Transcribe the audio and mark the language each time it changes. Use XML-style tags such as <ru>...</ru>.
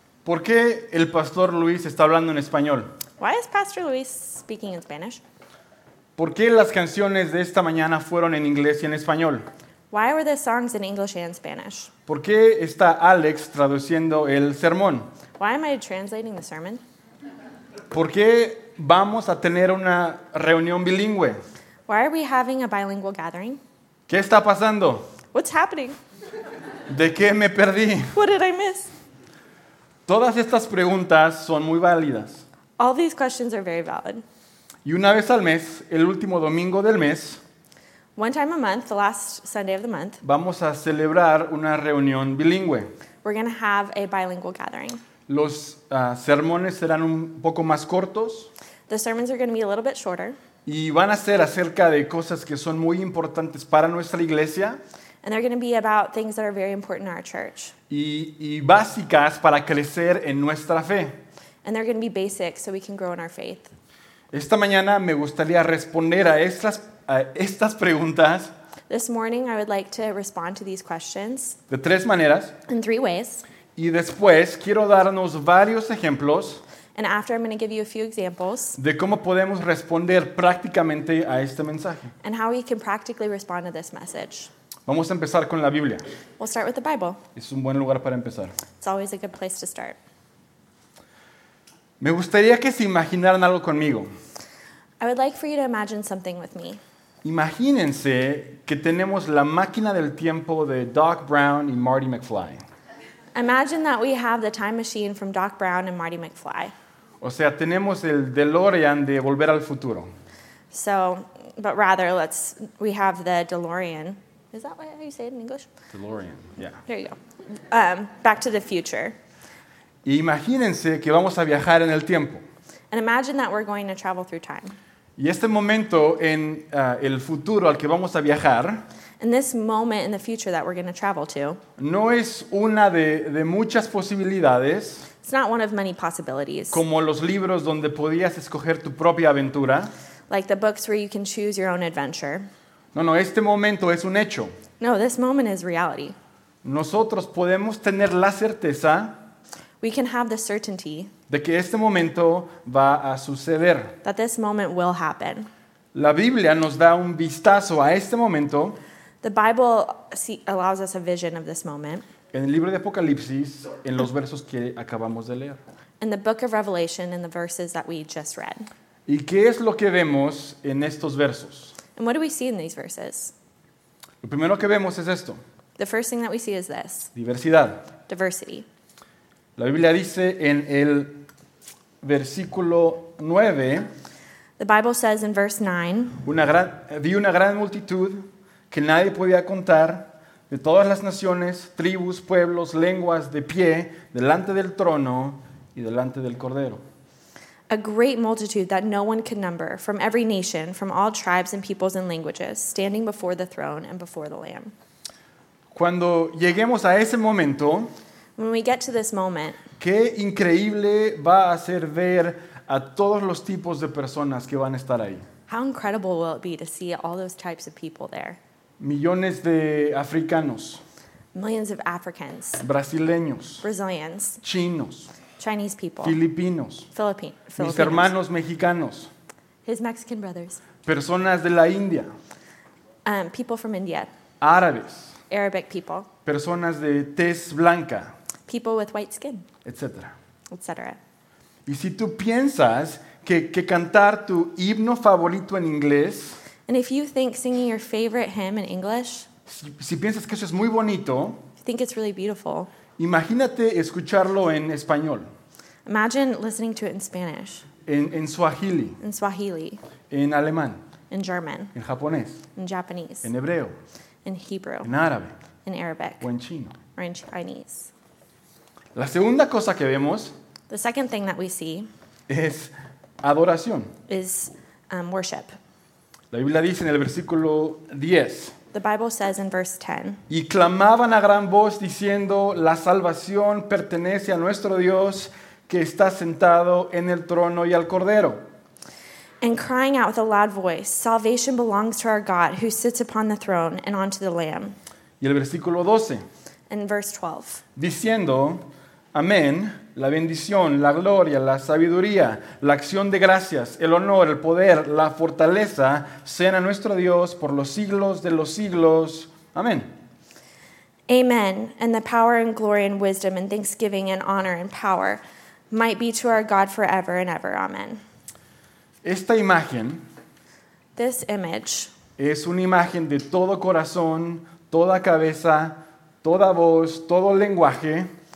<es>¿Por qué el Pastor Luis está hablando en español?</es> <en>Why is Pastor Luis speaking in Spanish?</en> <es>¿Por qué las canciones de esta mañana fueron en inglés y en español?</es> <en>Why were the songs in English and Spanish?</en> <es>¿Por qué está Alex traduciendo el sermón?</es> <en>Why am I translating the sermon?</en> <es>¿Por qué vamos a tener una reunión bilingüe?</es> <en>Why are we having a bilingual gathering?</en> <es>¿Qué está pasando?</es> <en>What's happening?</en> <es>¿De qué me perdí?</es> <en>What did I miss?</en> <es>Todas estas preguntas son muy válidas.</es> <en>All these questions are very valid.</en> <es>Y una vez al mes, el último domingo del mes,</es> <en>one time a month, the last Sunday of the month,</en> <es>vamos a celebrar una reunión bilingüe.</es> <en>We're going to have a bilingual gathering.</en> <es>Los sermones serán un poco más cortos.</es> <en>The sermons are going to be a little bit shorter.</en> <es>Y van a ser acerca de cosas que son muy importantes para nuestra iglesia.</es> <en>And they're going to be about things that are very important in our church.</en> <es>Y básicas para crecer en nuestra fe.</es> <en>And they're going to be basic so we can grow in our faith.</en> <es>Esta mañana me gustaría responder a estas preguntas.</es> <en>This morning I would like to respond to these questions.</en> <es>De tres maneras.</es> <en>In three ways.</en> <es>Y después quiero darnos varios ejemplos.</es> <en>And after I'm going to give you a few examples.</en> <es>De cómo podemos responder prácticamente a este mensaje.</es> <en>And how we can practically respond to this message.</en> <es>Vamos a empezar con la Biblia.</es> <en>We'll start with the Bible.</en> <es>Es un buen lugar para empezar.</es> <en>It's always a good place to start.</en> <es>Me gustaría que se imaginaran algo conmigo.</es> <en>I would like for you to imagine something with me.</en> <es>Imagínense que tenemos la máquina del tiempo de Doc Brown y Marty McFly.</es> <en>Imagine that we have the time machine from Doc Brown and Marty McFly.</en> <es>O sea, tenemos el DeLorean de Volver al Futuro.</es> <en>So, but rather, we have the DeLorean Is that how you say it in English? DeLorean, yeah. There you go. Back to the future.</en> <es>Imagínense que vamos a viajar en el tiempo.</es> <en>And imagine that we're going to travel through time.</en> <es>Y este momento en el futuro al que vamos a viajar.</es> <en>And this moment in the future that we're going to travel to.</en> <es>No es una de muchas posibilidades.</es> <en>It's not one of many possibilities.</en> <es>Como los libros donde podías escoger tu propia aventura.</es> <en>Like the books where you can choose your own adventure.</en> <es>No, no, este momento es un hecho.</es> <en>No, this moment is reality.</en> <es>Nosotros podemos tener la certeza.</es> <en>We can have the certainty.</en> <es>De que este momento va a suceder.</es> <en>That this moment will happen.</en> <es>La Biblia nos da un vistazo a este momento.</es> <en>The Bible allows us a vision of this moment.</en> <es>En el libro de Apocalipsis, en los versos que acabamos de leer.</es> <en>In the book of Revelation, in the verses that we just read.</en> <es>¿Y qué es lo que vemos en estos versos?</es> <en>And what do we see in these verses?</en> <es>Lo primero que vemos es esto.</es> <en>The first thing that we see is this.</en> <es>Diversidad.</es> <en>Diversity.</en> <es>La Biblia dice en el versículo 9.</es> <en>The Bible says in verse 9.</en> <es>Vi una gran multitud que nadie podía contar, de todas las naciones, tribus, pueblos, lenguas, de pie, delante del trono y delante del Cordero.</es> <en>A great multitude that no one could number, from every nation, from all tribes and peoples and languages, standing before the throne and before the Lamb.</en> <es>Cuando lleguemos a ese momento,</es> <en>when we get to this moment,</en> <es>qué increíble va a ser ver a todos los tipos de personas que van a estar ahí.</es> <en>How incredible will it be to see all those types of people there?</en> <es>Millones de africanos.</es> <en>Millions of Africans.</en> <es>Brasileños.</es> <en>Brazilians.</en> <es>Chinos.</es> <en>Chinese people.</en> <es>Filipinos.</es> <en>Filipinos.</en> <es>Mis hermanos mexicanos.</es> <en>His Mexican brothers.</en> <es>Personas de la India.</es> <en>People from India.</en> <es>Árabes.</es> <en>Arabic people.</en> <es>Personas de tez blanca.</es> <en>People with white skin.</en> <es>Etcétera.</es> <en>Etcétera.</en> <es>Y si tú piensas que cantar tu himno favorito en inglés.</es> <en>And if you think singing your favorite hymn in English,</en> <es>si piensas que eso es muy bonito,</es> <en>if you think it's really beautiful,</en> <es>imagínate escucharlo en español.</es> <en>Imagine listening to it in Spanish.</en> <es>En Swahili.</es> <en>In Swahili.</en> <es>En alemán.</es> <en>In German.</en> <es>En japonés.</es> <en>In Japanese.</en> <es>En hebreo.</es> <en>In Hebrew.</en> <es>En árabe.</es> <en>In Arabic.</en> <es>O en chino.</es> <en>Or in Chinese.</en> <es>La segunda cosa que vemos,</es> <en>the second thing that we see,</en> <es>es adoración.</es> <en>Is worship.</en> <es>La Biblia dice en el versículo 10.</es> <en>The Bible says in verse 10.</en> <es>Y clamaban a gran voz diciendo, la salvación pertenece a nuestro Dios que está sentado en el trono y al Cordero.</es> <en>And crying out with a loud voice, salvation belongs to our God who sits upon the throne and unto the Lamb.</en> <es>Y el versículo 12.</es> <en>In verse 12.</en> <es>Diciendo, amén, la bendición, la gloria, la sabiduría, la acción de gracias, el honor, el poder, la fortaleza, sean a nuestro Dios por los siglos de los siglos. Amén.</es> <en>Amen, and the power and glory and wisdom and thanksgiving and honor and power might be to our God forever and ever. Amen.</en> <es>Esta imagen,</es> <en>this image,</en> <es>es una imagen de todo corazón, toda cabeza, toda voz, todo lenguaje.</es>